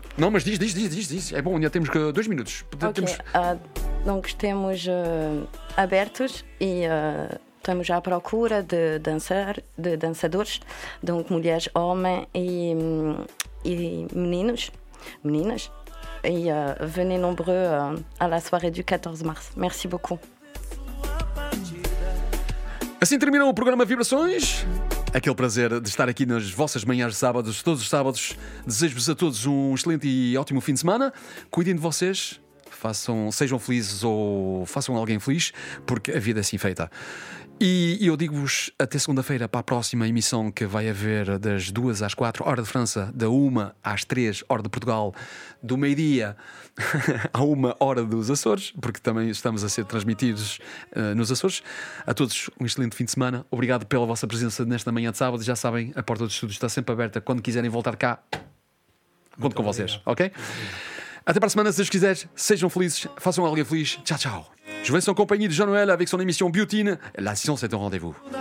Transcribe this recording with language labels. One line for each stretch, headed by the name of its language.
Portuguese: Não, mas diz. É bom, ainda temos 2 minutos. Okay. Temos... Não que estemos abertos e estamos à procura de dançadores, de mulheres, homens e meninos, meninas.
French: E venez nombreux à la soirée du 14 mars. Merci beaucoup.
Portuguese: Assim termina o programa Vibrações. Aquele prazer de estar aqui nas vossas manhãs de sábados, todos os sábados. Desejo-vos a todos um excelente e ótimo fim de semana. Cuidem de vocês, sejam felizes ou façam alguém feliz, porque a vida é assim feita. E eu digo-vos até segunda-feira para a próxima emissão, que vai haver das 2 às 4, hora de França, da 1 às 3, hora de Portugal, do meio-dia à 1 hora dos Açores, porque também estamos a ser transmitidos nos Açores. A todos um excelente fim de semana. Obrigado pela vossa presença nesta manhã de sábado. Já sabem, a porta do estúdio está sempre aberta. Quando quiserem voltar cá, conto com vocês, ok? Até para a semana, se Deus quiser. Sejam felizes, façam alguém feliz. Tchau, tchau.
French: Je vais en compagnie de Jean-Noël avec son émission Butine. La science est au rendez-vous.